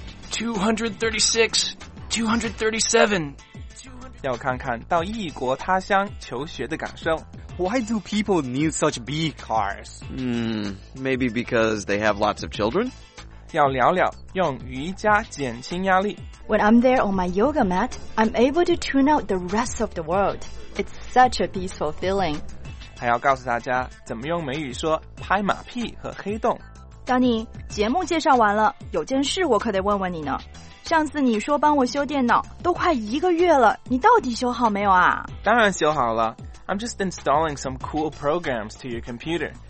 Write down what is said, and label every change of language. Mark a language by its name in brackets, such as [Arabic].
[Chinese] 236 237，要看看到异国他乡求学的感受。 [English] Why do people need such big cars? Maybe because they have lots of children? [Chinese] 要聊聊用瑜伽减轻压力。 [English] When I'm there on my yoga mat, I'm able to tune out the rest of the world. It's such a peaceful feeling. [Chinese] 还要告诉大家怎么用美语说拍马屁和黑洞。 Danny, 节目介绍完了，有件事我可得问问你呢。上次你说帮我修电脑，都快一个月了，你到底修好没有啊？当然修好了。 [English] I'm just installing some cool programs to your computer.